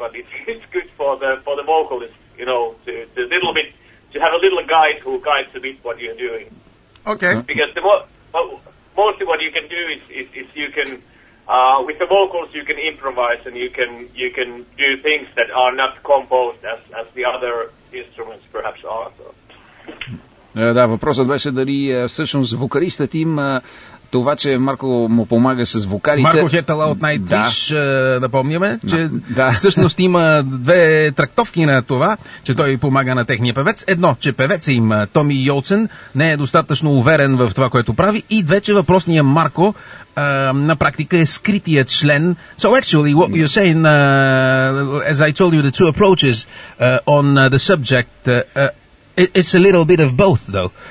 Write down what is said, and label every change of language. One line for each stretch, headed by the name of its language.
English: But it's good for the vocalist, you know, to have a little guide who guides a bit what you're doing. Okay. Because mostly what you can do is you can. With the vocals, you can improvise and you can do things that are not composed as the other instruments perhaps are. So.
Bulgarian: Да, въпросът беше дали всъщност вокалистът им това, че Марко му помага с вокалите. Марко Хетала от Nightwish, напомняме, че всъщност има две трактовки на това, че той помага на техния певец. Едно, че певец им, Томи Йолсен, не е достатъчно уверен в това, което прави. И две, че въпросният Марко на практика е скритият член.
English: So actually, what you're saying, as I told you, the two approaches on the subject, it's a little bit of both, though.